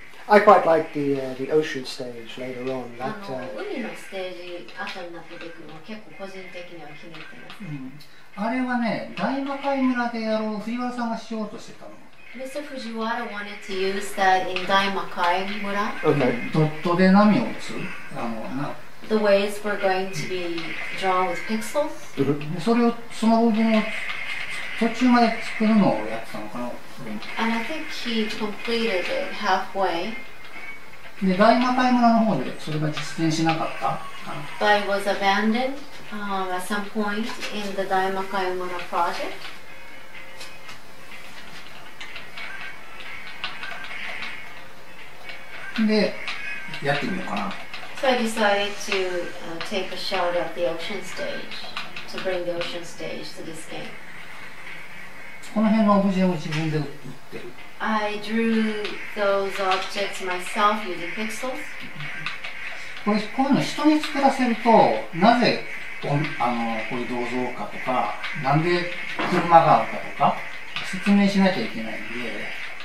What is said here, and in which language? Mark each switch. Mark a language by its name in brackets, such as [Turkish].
[English] I quite like the ocean stage later on. That, [Japanese] 海のステージ後になった時も結構個人的には気に入ってます。あれはね、大魔界村でやろう、藤原さんがしようとしてたの。 [English] Mr. Fujiwara wanted to use that in Daimakai Mura. Okay. [Japanese] ドットで波を打つ。 [English] The waves were going to be drawn with pixels. [Japanese] それをその部分を途中まで作るのをやってたのかな。 [English] And I think he completed it halfway. [Japanese] で、大魔界村の方でそれが実現しなかったかな。 [English] But it was abandoned, at some point in the Daimakai Mura project. [Japanese] で、やってみようかな。 [English] So I decided to take a shot at the ocean stage, to bring the ocean stage to this game. [Japanese] この辺のオブジェを自分で打ってる。 [English] I drew those objects myself using pixels. [Japanese] こういうの人に作らせるとなぜこういう銅像かとかなんで車があるかとか説明しなきゃいけないんで